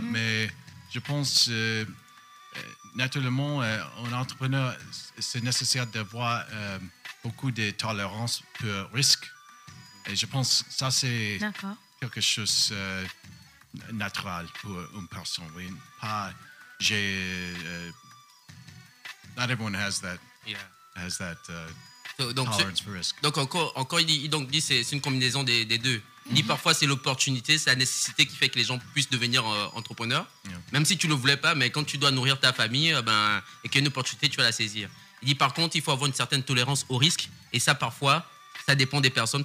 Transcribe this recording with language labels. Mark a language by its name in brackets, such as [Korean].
[French] Mais je pense, naturellement, un entrepreneur, c'est nécessaire d'avoir beaucoup de tolérance pour risque. Et je pense que ça, c'est quelque chose naturel pour une personne. Oui. Pas, j'ai, [English] not everyone has that, yeah. Has that donc, tolerance for risk. [French] Donc, encore il dit c'est une combinaison des deux. Mm-hmm. Il dit parfois, c'est l'opportunité, c'est la nécessité qui fait que les gens puissent devenir entrepreneurs. Yeah. Même si tu ne le voulais pas, mais quand tu dois nourrir ta famille et qu'il y a une opportunité, tu vas la saisir. Il dit par contre, il faut avoir une certaine tolérance au risque. Et ça, parfois... Ça dépend des personnes.